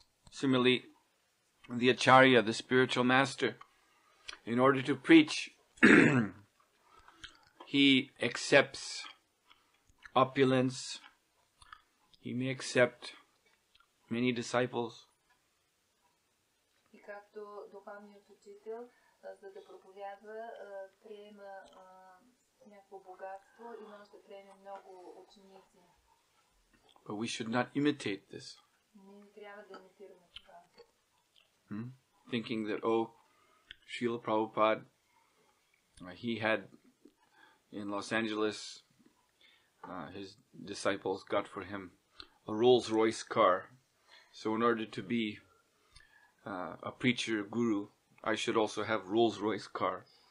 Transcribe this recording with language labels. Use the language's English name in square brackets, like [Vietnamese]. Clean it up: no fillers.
[English] Similarly, the acharya, the spiritual master, in order to preach, he accepts opulence. He may accept many disciples. [Bulgarian] И както духовният учител, за да проповядва, приема някакво богатство и може да приеме много ученици. [English] But we should not imitate this. [Bulgarian] Ние не трябва да имитираме това. [English] Thinking that, oh, Srila Prabhupada, he had in Los Angeles, his disciples got for him a Rolls Royce car. So in order to be a preacher guru, I should also have Rolls Royce car.